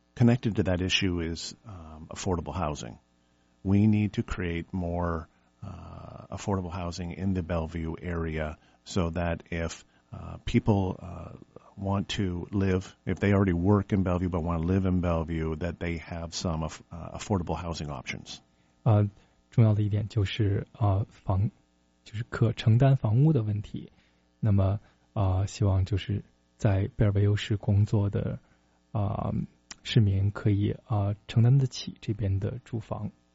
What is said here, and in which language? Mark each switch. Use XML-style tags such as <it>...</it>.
<en>Connected to that issue is affordable housing. We need to create more affordable housing in the Bellevue area so that if people want to live, if they already work in Bellevue but want to live in Bellevue, that they have some affordable housing options.</en> <zh>重要的一点就是就是可承担房屋的问题。那么希望就是在贝尔维尤市工作的市民可以承担得起这边的住房。</zh>